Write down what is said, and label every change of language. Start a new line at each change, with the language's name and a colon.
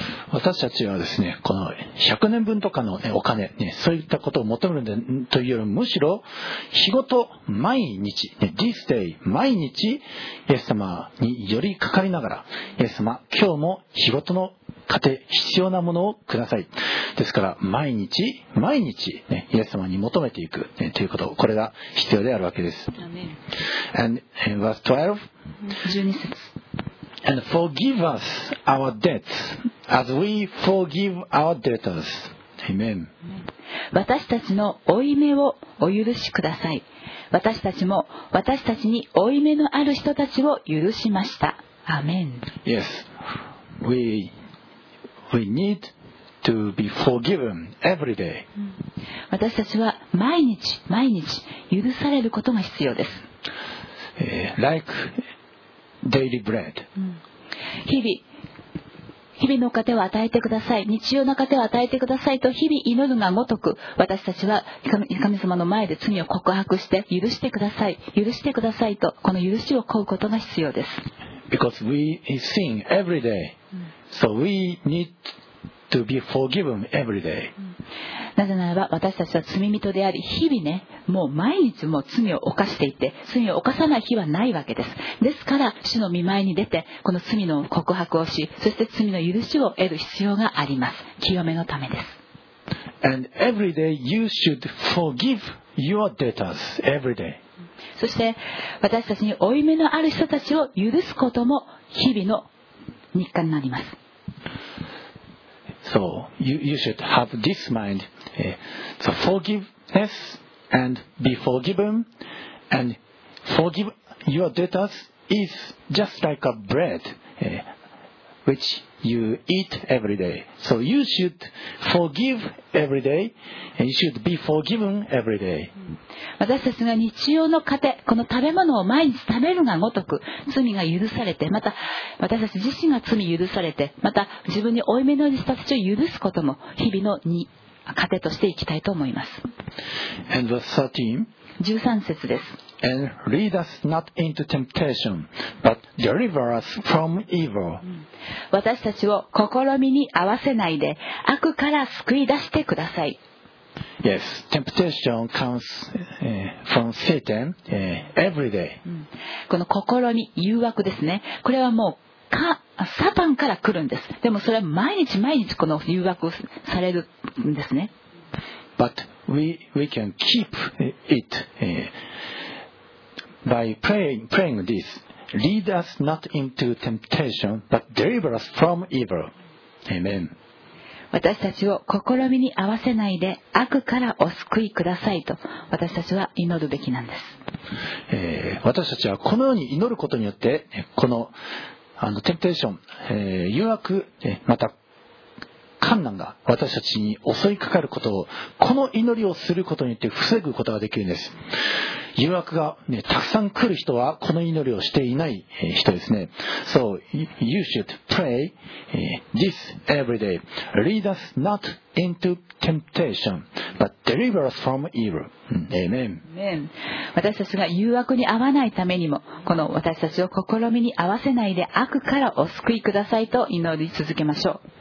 Japanese: 私たちはですね、この100年分とかのお金、ね、そういったことを求めるというよりむしろ日ごと毎日、ね、
English: This day
Japanese: 毎日イエス様に寄りかかりながら、イエス様今日も日ごとの家庭必要なものをください。ですから毎日毎日、ね、イエス様に求めていく、ね、ということ、これが必要であるわけです。
English: And verse
Japanese: 12節、
English: And forgive us our debts as we forgive our debtors. Amen.
Japanese: 私たちの負い目をお許しください。私たちも私たちに負い目のある人たちを許しました。
English: Amen. Yes. We need to be forgiven every day.
Japanese: 私たちは毎日毎日許されることが必要です。
English: Like daily bread.
Japanese: 日々の糧を与えてください、日用の糧を与えてくださいと日々祈るがごとく、私たちは神様の前で罪を告白して、許してください、許してくださいと、この許しを請うことが必要です。
English: Because we sin every day, so we need to be forgiven every day.
Japanese: なぜならば私たちは罪人であり、日々ね、もう毎日もう罪を犯していて、罪を犯さない日はないわけです。ですから主の御前に出て、この罪の告白をし、そして罪の許しを得る必要があります。清めのためです。
English: And every day you should forgive your debtors every day.
Japanese: そして私たちに負い目のある人たちを許すことも日々の日課になります。
English: So you should have this mind. So forgiveness and be forgiven and forgive your debtors is just like a bread which you eat every day. So you should forgive every day and you should be forgiven every day.
Japanese: 私たちが日用の糧、この食べ物を毎日食べるがごとく罪が許されて、また私たち自身が罪許されて、また自分に負い目のある人たちを許すことも日々の糧としていきたいと思います。
English: And verse 13
Japanese: 節です。
English: And lead us not into temptation, but deliver us from evil.
Japanese: 私たちを試みに合わせないで、悪から救い出してください。
English: Yes, temptation comes from Satan every day.
Japanese: この試み、誘惑ですね。これはもうサタンから来るんです。でもそれは毎日毎日この誘惑をされるんですね。
English: But we can keep it by praying this. Lead us not into temptation, but deliver us from evil. Amen.
Japanese: 私たちを試みに合わせないで、悪からお救いくださいと私たちは祈るべきなんです。私たちはこのように祈ることによって、このテンプテーション、誘惑、また困難が私たちに襲いかかることを、この祈りをすることによって防ぐことができるんです。誘惑が、ね、たくさん来る人はこの祈りをしていない人ですね。
English: So you should pray this every day. Lead us not into temptation, but deliver us from evil. Amen. Amen.
Japanese: 私たちが誘惑に遭わないためにも、この私たちを試みに遭わせないで、悪からお救いくださいと祈り続けましょう。